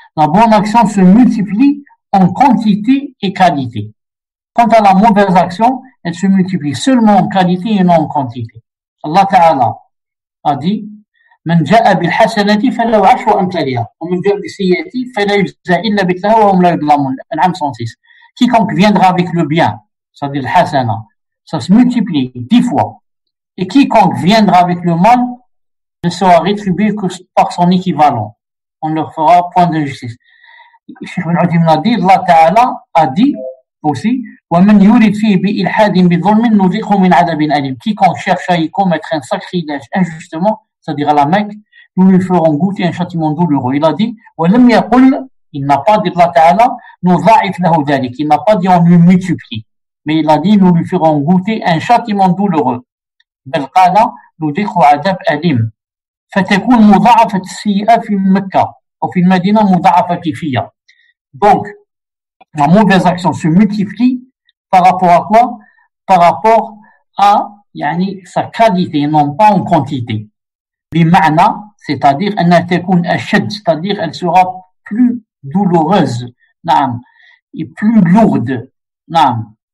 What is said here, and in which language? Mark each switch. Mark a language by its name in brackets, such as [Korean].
[French] La bonne action se multiplie en quantité et qualité. Quant à la mauvaise action, elle se multiplie seulement en qualité et non en quantité. Allah Ta'ala a dit, [Arabic] من جاء بالحسنات فلو عشر أمثالها ومن جاء بالسيئات فلا يجزى إلا مثلها وهم لا يظلمون. العام 106. [French] Quiconque viendra avec le bien, c'est-à-dire le hasana, ça se multiplie 10 fois. Et quiconque viendra avec le mal, ne sera rétribué que par son équivalent. On ne leur fera point de justice. Cheikh Ibn Uthaymin a dit, Allah Ta'ala a dit aussi, [Arabic] وَمَنْ يُرِدْ فِيهِ بِإِلْحَادٍ بِظُلْمٍ نُذِقْهُ مِنْ عَذَابٍ أَلِيمٍ. [French] Quiconque cherche à y commettre un sacrilège injustement, c'est-à-dire à la Mecque, nous lui ferons goûter un châtiment douloureux. Il a dit, [Arabic] وَلَمْ يَقُلْ, [French] il n'a pas dit, Allah Ta'ala, [Arabic] نُذَعِفْ لَهُ ذَلِكَ, [French] il n'a pas dit, on lui multiplie. Mais il a dit, nous lui ferons goûter un châtiment douloureux. [Arabic] بَلْقَالَ نُذِقْهُ عَذَابْ أَلِيم. فتكون مضاعفة السيئة في مكة أو في المدينة مضاعفة فيها. [French] Donc, la mauvaise action se multiplie par rapport à quoi? Par rapport à, sa qualité, non pas en quantité. بمعنى, c'est-à-dire, [Arabic] أن تكون أشد, [French] c'est-à-dire, elle sera plus douloureuse, نعم, et plus lourde, نعم.